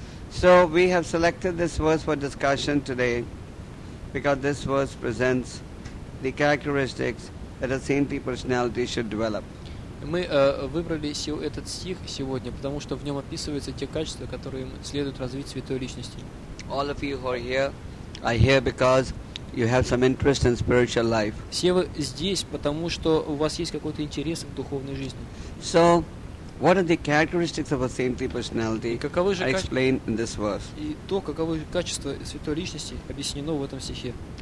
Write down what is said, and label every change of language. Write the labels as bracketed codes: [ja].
[en] So we have selected this verse for discussion today because this verse presents the characteristics that a saintly personality should develop. [ru] Мы выбрали этот стих сегодня, потому что в нем описываются те качества, которые следует развить святой личности. [en] All of you who are here, I hear because you have some interest in spiritual life. [ru] Все вы здесь, потому что у вас есть какой-то интерес к духовной жизни. [en] So what are the characteristics of a saintly personality? [ru] Каковы же [en] explained in this verse? [ru] И то, каковы качества святой личности, объяснено в этом стихе.